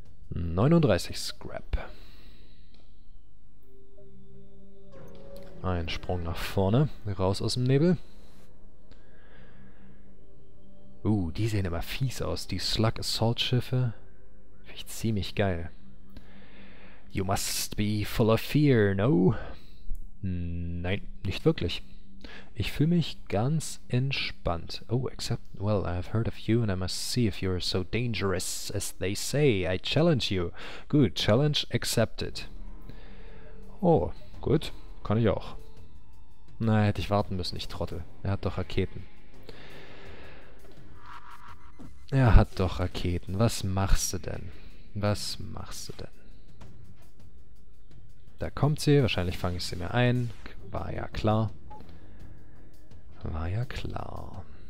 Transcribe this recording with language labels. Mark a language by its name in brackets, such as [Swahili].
[English] 39 Scrap. [German] Ein Sprung nach vorne, raus aus dem Nebel. Die sehen immer fies aus, die Slug Assault Schiffe. Finde ich ziemlich geil. [English] You must be full of fear, no? [German] Nein, nicht wirklich. Ich fühle mich ganz entspannt. [English] Oh, except, well, I have heard of you and I must see if you are so dangerous as they say. I challenge you. Good, challenge accepted. [German] Oh, gut, kann ich auch. Na, hätte ich warten müssen, ich Trottel. Er hat doch Raketen. Er hat doch Raketen. Was machst du denn? Was machst du denn? Da kommt sie. Wahrscheinlich fange ich sie mir ein. War ja klar. War ja klar.